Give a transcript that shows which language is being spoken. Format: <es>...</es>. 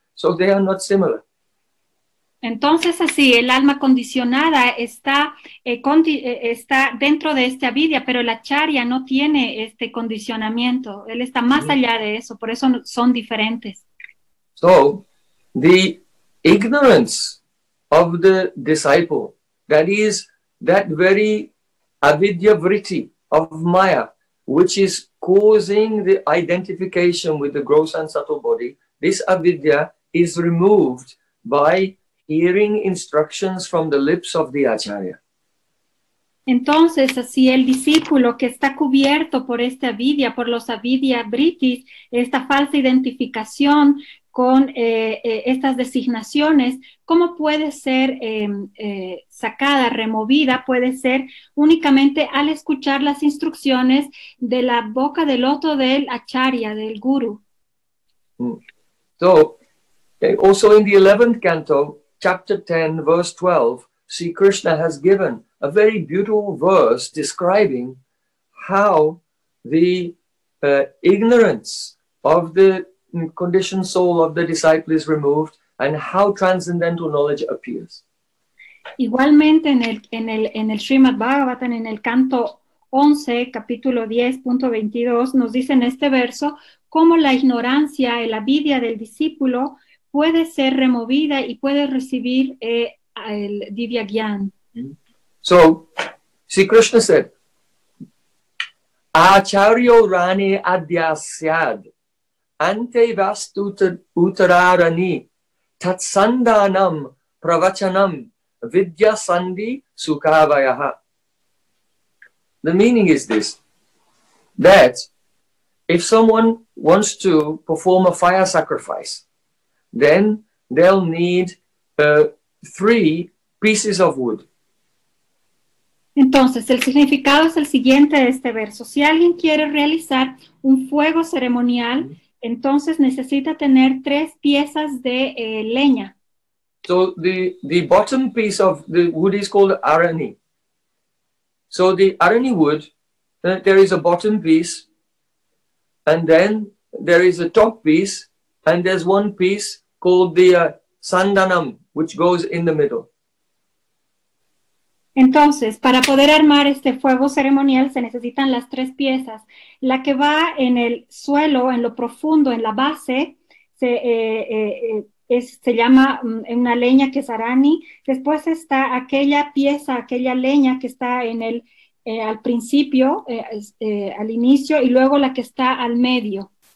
<en>So they are not similar.</en> <es>Entonces así, el alma condicionada está dentro de esta avidya, pero el acharya no tiene este condicionamiento. Él está más allá de eso, por eso son diferentes.</es> <en>So, the ignorance of the disciple, that is that very avidya vritti of maya, which is causing the identification with the gross and subtle body, this avidya is removed by hearing instructions from the lips of the acharya.</en> <es>Entonces, así el discípulo que está cubierto por esta avidya, por los avidya vrittis, esta falsa identificación con estas designaciones, ¿cómo puede ser sacada, removida? Puede ser únicamente al escuchar las instrucciones de la boca del loto del acharya, del guru.</es> <en>So, also in the 11th canto, chapter 10, verse 12, Sri Krishna has given a very beautiful verse describing how the ignorance of the conditioned soul of the disciple is removed and how transcendental knowledge appears.</en> <es>Igualmente en el Srimad Bhagavatam, en el canto 11, capítulo 10.22, nos dice en este verso cómo la ignorancia, el avidya del discípulo puede ser removida y puede recibir el Divya Gyan.</es> <en>So, Sri Krishna said,</en> <sa>Acharyo Rani Adhyasyad Ante Vastu Uttararani Tatsandanam Pravachanam Vidya Sandhi Sukavayaha.</sa> <en>The meaning is this, that if someone wants to perform a fire sacrifice, then they'll need three pieces of wood.</en> <es>Entonces, el significado es el siguiente de este verso. Si alguien quiere realizar un fuego ceremonial, entonces necesita tener tres piezas de leña.</es> <en>So the bottom piece of the wood is called arani. So the arani wood, there is a bottom piece, and then there is a top piece, and there's one piece called the sandanam, which goes in the middle.</en> <es>Entonces, para poder armar este fuego ceremonial se necesitan las tres piezas. La que va en el suelo, en lo profundo, en la base, se llama una leña que es arani. Después está aquella pieza, aquella leña que está en el al principio, al inicio, y luego la que está al medio.</es>